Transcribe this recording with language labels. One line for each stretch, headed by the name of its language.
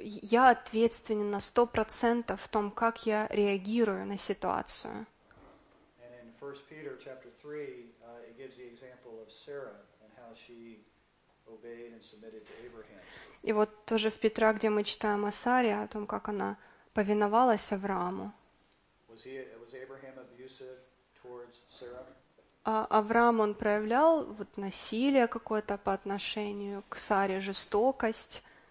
Russian: Я ответственен на 100% в том, как я реагирую на ситуацию.
English: And in 1 Peter chapter 3, it gives the example of Sarah and how she obeyed and submitted to Abraham.
Russian: И вот тоже в Петра, где мы читаем о Саре, о том, как она повиновалась Аврааму.
English: Was Abraham abusive towards Sarah?
Russian: А Авраам, он проявлял вот насилие какое-то по отношению к Саре, жестокость.